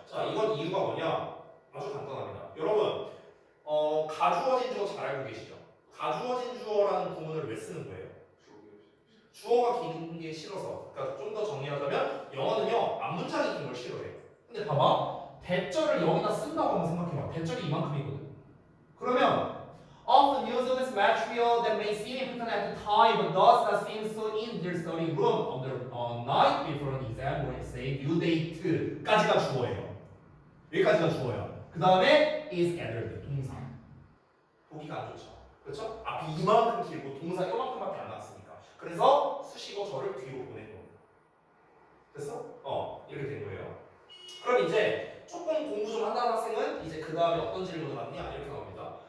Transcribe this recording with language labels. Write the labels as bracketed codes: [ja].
[ko] 자, 이건 이유가 뭐냐? 아주 간단합니다. 여러분, 가주어 진주어 잘 알고 계시죠? 가주어 진주어라는 구문을 왜 쓰는 거예요? 주어가 긴 게 싫어서. 그러니까 좀 더 정리하자면 영어는요 앞문장이 긴 걸 싫어해요. 근데 봐봐, 대절을 여기다 쓴다고 한번 생각해봐. 대절이 이만큼이거든. [en] 그러면 often used this material that may seem important at the time but does not seem so in their study room on the night before an exam or say due date [ko] 까지가 주어예요. 여기까지가 주어야. 그 다음에 [en] is added [ko] 동사. 보기가 안 좋죠. 그렇죠? 앞이 이만큼 길고 동사 이만큼밖에 안 나왔어. 그래서 수식어 저를 뒤로 보낸 겁니다. 됐어? 이렇게 된 거예요. 그럼 이제 조금 공부 좀 한다는 학생은 이제 그 다음에 어떤 질문을 받느냐 이렇게 나옵니다.